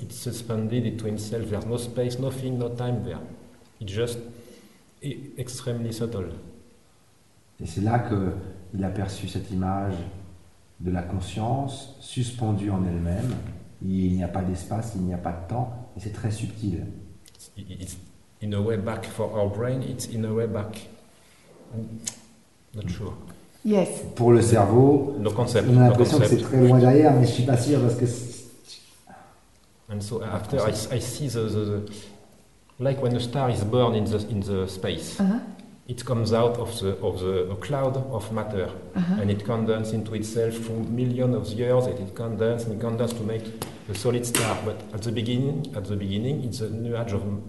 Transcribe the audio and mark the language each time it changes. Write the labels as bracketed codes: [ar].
[en] It's suspended into itself. There's no space, nothing, no time there. It's just extremely subtle. [fr] Et c'est là qu'il a perçu cette image de la conscience suspendue en elle-même. Il n'y a pas d'espace, il n'y a pas de temps, et c'est très subtil. [en] It's in a way back for our brain, it's in a way back. Not sure. Yes. [fr] Pour le cerveau, [en] no concept, [fr] on a l'impression [en] no [fr] que c'est très loin derrière, mais je ne suis pas sûr parce que... [en] And so after I see the... Like when a star is born in the space. Uh-huh. It comes out of the cloud of matter, uh-huh. And it condenses into itself for millions of years, and it condenses and condenses to make a solid star. But at the beginning, it's a nuage of